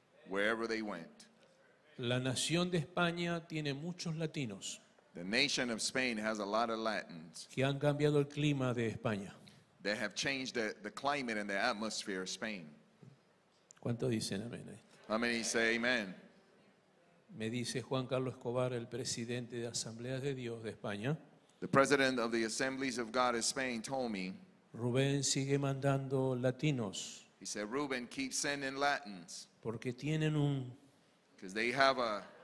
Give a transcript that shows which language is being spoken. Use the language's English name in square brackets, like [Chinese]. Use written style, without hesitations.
[English] Wherever they went. [Spanish] La nación de España tiene muchos latinos. [English] The nation of Spain has a lot of Latins. [Spanish] Que han cambiado el clima de España. [English] They have changed the climate and the atmosphere of Spain. [Spanish] ¿Cuántos dicen amén? [English] How many say amen? [Spanish] Me dice Juan Carlos Escobar, el presidente de Asambleas de Dios de España. [English] The president of the Assemblies of God of Spain told me. [Spanish] Rubén sigue mandando latinos. [English] He said, Ruben, keep sending Latins. [Spanish] Porque tienen un... [English] Because they have a...